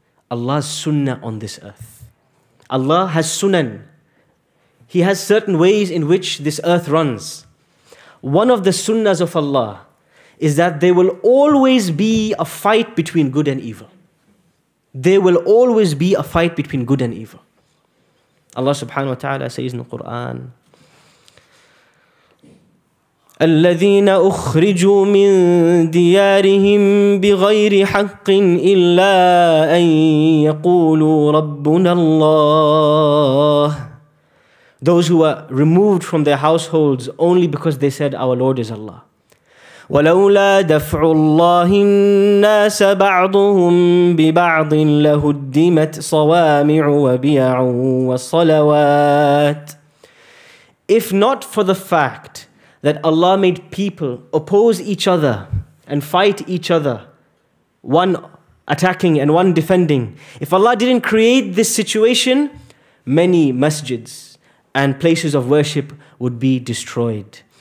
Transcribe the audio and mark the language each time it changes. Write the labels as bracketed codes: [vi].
[en] Allah's sunnah on this earth. Allah has sunan. He has certain ways in which this earth runs. One of the sunnahs of Allah is that there will always be a fight between good and evil. There will always be a fight between good and evil. Allah subhanahu wa ta'ala says in the Quran, [ar] الذين أخرجوا من ديارهم بغير حق إلا أن يقولوا ربنا الله. [en] Those who were removed from their households only because they said our Lord is Allah. [ar] ولولا دفع الله الناس بعضهم ببعض لهدمت صوامع وبيع والصلوات. [en] If not for the fact that Allah made people oppose each other and fight each other, one attacking and one defending. If Allah didn't create this situation, many masjids and places of worship would be destroyed.